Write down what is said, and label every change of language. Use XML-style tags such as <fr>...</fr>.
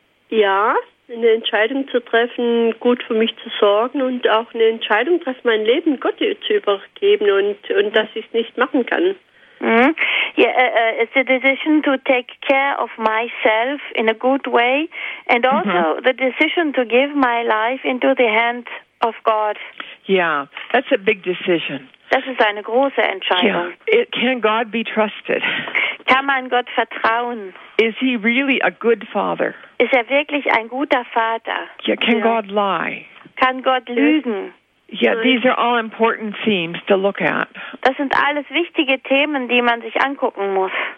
<de>Eine Entscheidung zu treffen, gut für mich zu sorgen, und auch eine Entscheidung, dass mein Leben Gott zu übergeben und dass ich es nicht machen kann.</de> <en>It's a decision to take care of myself in a good way, and also the decision to give my life into the hand of God. Yeah, that's a big decision.</en> <de>Das ist eine große Entscheidung.</de> <en>Yeah. Can God be trusted?</en> <de>Kann man Gott vertrauen?</de> <en>Is he really a good father?</en> <de>Ist er wirklich ein guter Vater?</de> <en>Yeah. Can God lie?</en> <de>Kann Gott lügen?</de> <en>Yeah, these are all important themes to look at.</en> <de>Das sind alles wichtige Themen, die man sich angucken muss.</de>